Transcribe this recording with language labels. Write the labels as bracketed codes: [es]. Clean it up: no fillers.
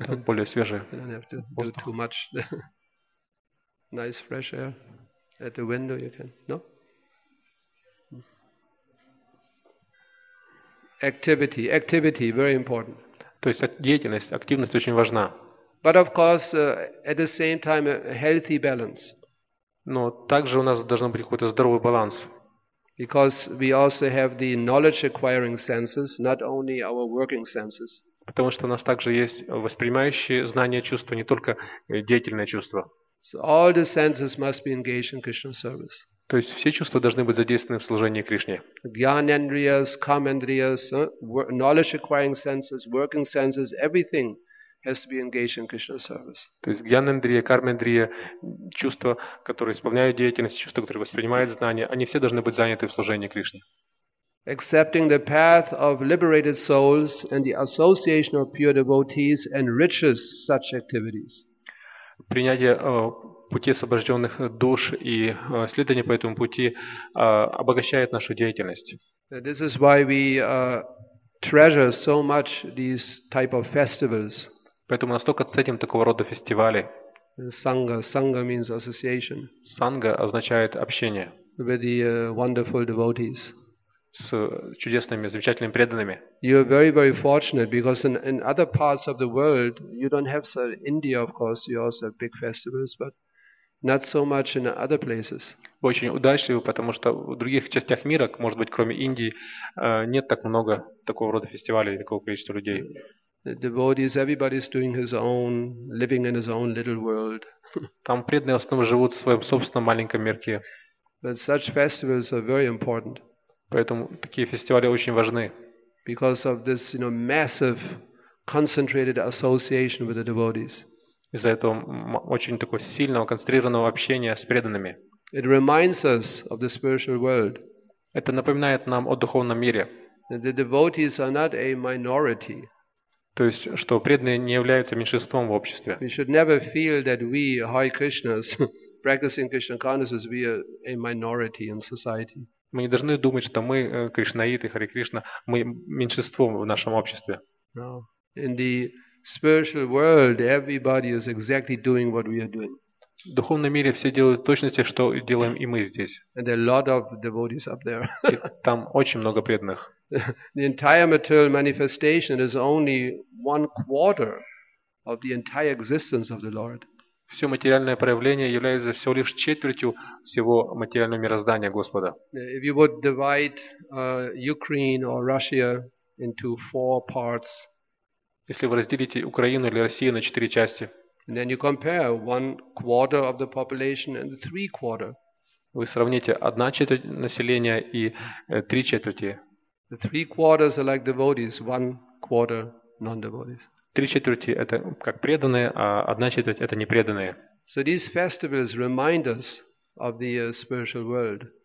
[ru] Там более свежее. [en] You don't have to do too much. Nice fresh air at the window. You can, no? Activity, activity, very important. [ru] То есть деятельность, активность очень важна. [en] But of course, at the same time, a healthy balance. [ru] Но также у нас должен быть какой-то здоровый баланс. [en] Because we also have the knowledge acquiring senses, not only our working senses. [ru] Потому что у нас также есть воспринимающие знания чувства, не только деятельное чувство. [en] So all the senses must be engaged in Krishna service. [ru] То есть все чувства должны быть задействованы в служении Кришне. [en] Gyanendriyas, Kamendriyas, knowledge acquiring senses, working senses, everything has to be engaged in Krishna service. [ru] То есть гьянендрия, кармендрия, чувства, которые исполняют деятельность, чувства, которые воспринимают знания, они все должны быть заняты в служении Кришне. [en] Accepting the path of liberated souls and the association of pure devotees enriches such activities. [ru] Принятие пути освобожденных душ и следование по этому пути обогащает нашу деятельность. [en] This is why we treasure so much these type of festivals. [ru] Поэтому настолько ценим такого рода фестивали. [en] Sangha, sangha means association. [ru] Sangha означает общение. [en] With the wonderful devotees. [ru] С чудесными, замечательными преданными. [en] You are very, very fortunate because in other parts of the world you don't have so. India, of course, you also have big festivals, but not so much in other places. [ru] Очень удачливо, потому что в других частях мира, может быть, кроме Индии, нет так много такого рода фестивалей, такого количества людей. [en] Devotees, everybody's doing his own, living in his own little world. [ru] Там преданные в основном живут в своем собственном маленьком мирке. [en] But such festivals are very important. [ru] Поэтому такие фестивали очень важны. [en] Because of this, you know, massive, concentrated association with the devotees. [ru] Из-за этого очень такого сильного, концентрированного общения с преданными. [en] It reminds us of the spiritual world. [ru] Это напоминает нам о духовном мире. [en] That the devotees are not a minority. [ru] То есть, что преданные не являются меньшинством в обществе. [en] We should never feel that we, Hare Krishnas, practicing Krishna consciousness, we are a minority in society. [ru] Мы не должны думать, что мы, кришнаиты, Хари Кришна, мы меньшинство в нашем обществе. [en] No. In the spiritual world, everybody is exactly doing what we are doing. [ru] В духовном мире все делают точно те, что делаем и мы здесь. [en] And there are a lot of devotees up there. [ru] И там очень много преданных. [en] The entire material manifestation is only one quarter of the entire existence of the Lord. [ru] Все материальное проявление является всего лишь четвертью всего материального мироздания Господа. [en] If you would divide Ukraine or Russia into four parts, [ru] если вы разделите Украину или Россию на четыре части, [en] and then you compare one quarter of the population and three quarter, [ru] вы сравните одна четверть населения и три четверти. [en] The three quarters are like devotees, one quarter non-devotees. [ru] Три четверти – это как преданные, а одна четверть – это непреданные. [en] So these festivals remind us of the spiritual world.